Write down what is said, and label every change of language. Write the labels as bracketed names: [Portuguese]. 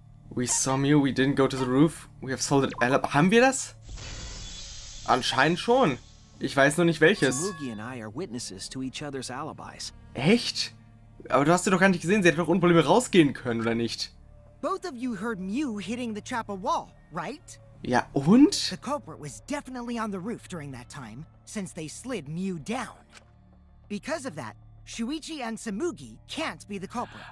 [English] We saw Miu, we didn't go to the roof. We have sold it all up. [German] Haben wir das? Anscheinend schon. Ich weiß nur nicht welches. [English] Tsumugi and I are witnesses to each other's alibis. [German] Echt? Aber du hast sie doch gar nicht gesehen. Sie hätte doch ohne Probleme rausgehen können, oder nicht? [English] Both of you heard Miu hitting the chapel wall, right? [German] Ja, und? [English] The culprit was definitely on the roof during that time, since they slid Miu down. Because of that, Shuichi and Tsumugi can't be the culprit.